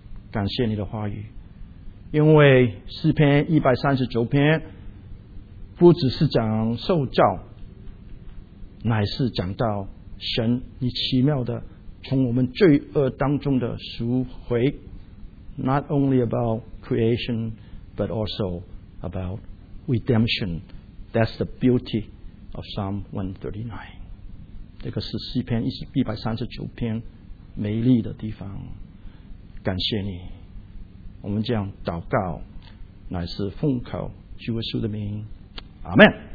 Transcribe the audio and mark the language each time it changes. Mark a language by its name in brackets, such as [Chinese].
[Chinese] 感谢你的话语，因为诗篇139篇不只是讲受造，乃是讲到神你奇妙的从我们罪恶当中的赎回。 [English] Not only about creation but also about redemption. That's the beauty of Psalm 139. [Chinese] 这个是诗篇139篇美丽的地方。感谢你，我们这样祷告乃是奉靠主耶稣的名，阿们。